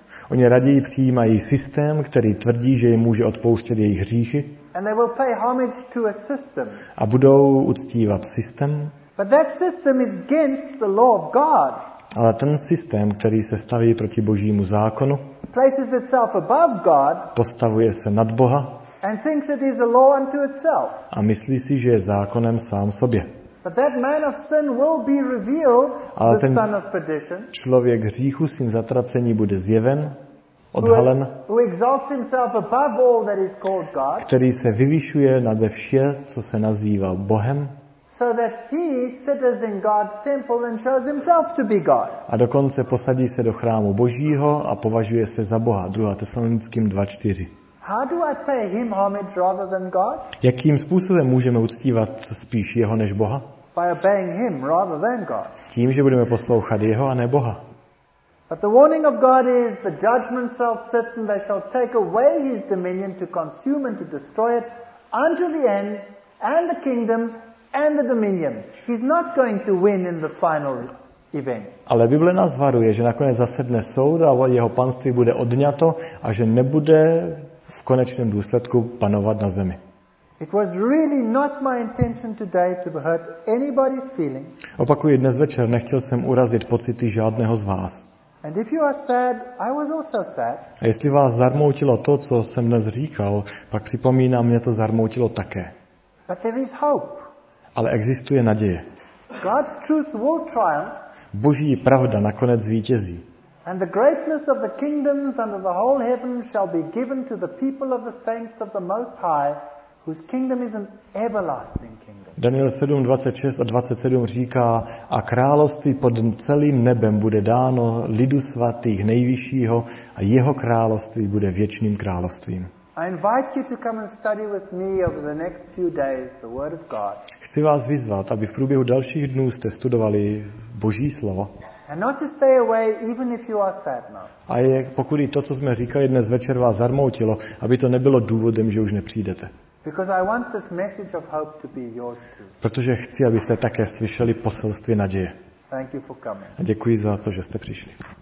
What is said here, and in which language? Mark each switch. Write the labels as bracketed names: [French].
[Czech] Oni raději přijímají systém, který tvrdí, že jim může odpouštět jejich hříchy. [English] And they will pay homage to a system. [Czech] A budou uctívat systém. [English] But that system is against the law of God. [Czech] Ale ten systém, který se staví proti Božímu zákonu, [English] places itself above God, [Czech] postavuje se nad Boha, [English] and thinks it is a law unto itself. [Czech] A myslí si, že je zákonem sám sobě. [English] But that man of sin will be revealed, [Czech] ale [English] the son of perdition. [Czech] Člověk hříchu, syn zatracení, bude zjeven, odhalen. [English] Who exalts himself above all that is called God? [Czech] Který se vyvyšuje nade vše, co se nazývá Bohem. [English] So that he sits in God's temple and shows himself to be God. [Czech] A dokonce posadí se do chrámu Božího a považuje se za Boha. 2. Tesalonickým 2:4. [English] How do I pay him homage rather than God? [Czech] Jakým způsobem můžeme uctívat spíš jeho než Boha? [English] By obeying him rather than God. [Czech] Tím, že budeme poslouchat jeho a ne Boha. [English] But the warning of God is the judgment shall certain they shall take away his dominion to consume and to destroy it unto the end and the kingdom and the dominion. He's not going to win in the final event. [Czech] Ale Bible nás varuje, že nakonec zasedne soud a jeho panství bude odňato a že nebude v konečném důsledku panovat na zemi. [English] It was really not my intention today to hurt anybody's feeling. [Czech] Opakuji, dnes večer nechtěl jsem urazit pocity žádného z vás. [English] And if you are sad, I was also sad. [Czech] A jestli vás zarmoutilo to, co jsem dnes říkal, pak připomínám, mě to zarmoutilo také. [English] But there is hope. [Czech] Ale existuje naděje. [English] God's truth will triumph. [Czech] Boží pravda nakonec zvítězí. [English] And the greatness of the kingdoms under the whole heaven shall be given to the people of the saints of the Most High, whose kingdom is an everlasting kingdom. [Czech] Daniel 7:26 a 27 říká: a království pod celým nebem bude dáno lidu svatých nejvyššího a jeho království bude věčným královstvím. [English] I invite you to come and study with me over the next few days the word of God. [Czech] Chci vás vyzvat, aby v průběhu dalších dnů jste studovali Boží slovo. [English] And not to stay away, even if you are sad now. [Czech] A je, pokud i to, co jsme říkali dnes večer, vás zarmoutilo, aby to nebylo důvodem, že už nepřijdete. [English] Because I want this message of hope to be yours too. [Czech] Protože chci, abyste také slyšeli poselství naděje. [English] Thank you for coming. [Czech] A děkuji za to, že jste přišli.